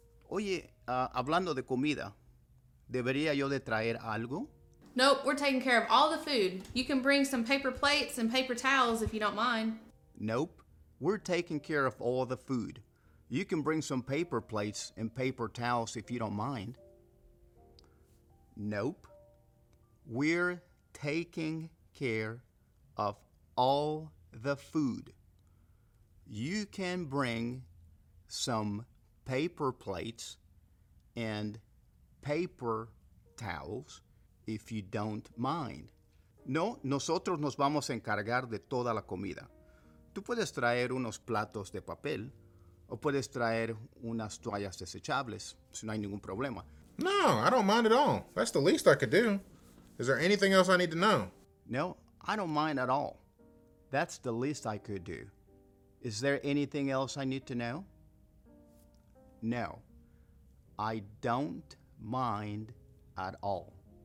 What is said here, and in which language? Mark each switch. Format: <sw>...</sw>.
<es>Oye, hablando de comida, ¿debería yo de traer algo?</es> <en>Nope, we're taking care of all the food. You can bring some paper plates and paper towels if you don't mind. Nope, we're taking care of all the food. You can bring some paper plates and paper towels if you don't mind. Nope. We're taking care of all the food. You can bring some paper plates and paper towels if you don't mind.</en> <es>No, nosotros nos vamos a encargar de toda la comida. Tú puedes traer unos platos de papel o puedes traer unas toallas desechables si no hay ningún problema.</es> <en>No, I don't mind at all. That's the least I could do. Is there anything else I need to know? No, I don't mind at all. That's the least I could do. Is there anything else I need to know? No, I don't mind at all.</en>